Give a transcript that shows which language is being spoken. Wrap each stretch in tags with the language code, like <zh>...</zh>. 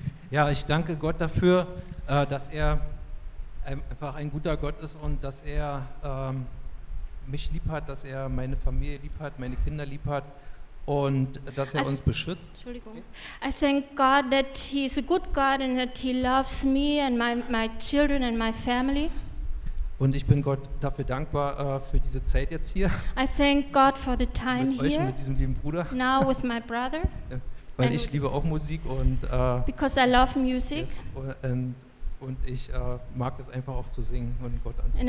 <de>Ja, ich danke Gott dafür, dass er einfach ein guter Gott ist und dass er mich lieb hat, dass er meine Familie lieb hat, meine Kinder lieb hat und dass er uns beschützt. Entschuldigung.</de> <en>I thank God that he is a good God and that he loves me and my children and my family.</en> <de>Und ich bin Gott dafür dankbar für diese Zeit jetzt hier.</de> <en>I thank God for the time</en> <de>mit euch</de> <en>here.</en> <de>Und mit diesem lieben Bruder.</de> <en>Now with my brother.</en> <de>Weil ich liebe auch Musik und</de> <en>because I love music.</en> <de>Und ich mag es einfach auch zu singen und Gott anzubeten.</de>